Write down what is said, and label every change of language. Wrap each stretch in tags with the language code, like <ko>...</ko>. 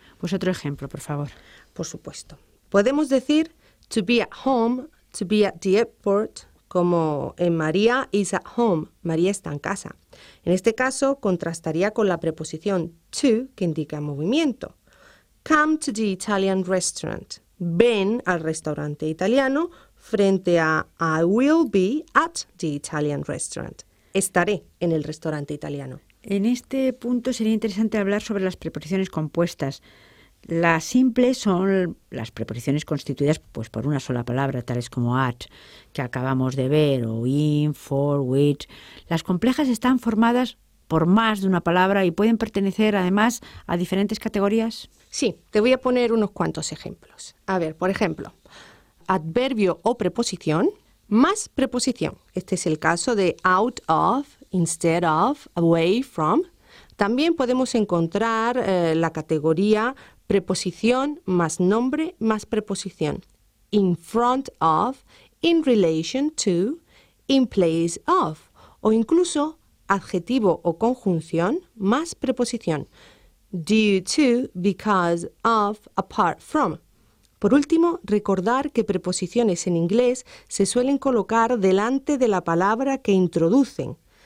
<es>Pues otro ejemplo, por favor. Por supuesto. Podemos decir</es> <en>to be at home, to be at the airport,</en> <es>como en</es> <en>María is at home,</en> <es>María está en casa. En este caso, contrastaría con la preposición to, que indica movimiento.</es> <en>Come to the Italian restaurant.</en> <es>Ven al restaurante italiano frente a</es> <en>I will be at the Italian restaurant.</en> <es>Estaré en el restaurante italiano. En este punto sería interesante hablar sobre las preposiciones compuestas. Las simples son las preposiciones constituidas pues por una sola palabra, tales como at, que acabamos de ver, o in, for, which. Las complejas están formadas por más de una palabra y pueden pertenecer además a diferentes categorías. Sí, te voy a poner unos cuantos ejemplos. A ver, por ejemplo, adverbio o preposición más preposición. Este es el caso de</es> <en>out of, instead of, away from.</en> <es>También podemos encontrar la categoría preposición más nombre más preposición.</es> <en>In front of, in relation to, in place of.</en> <es>O incluso adjetivo o conjunción más preposición.</es> <en>Due to, because of, apart from.</en> <es>Por último, recordar que preposiciones en inglés se suelen colocar delante de la palabra que introducen.</es>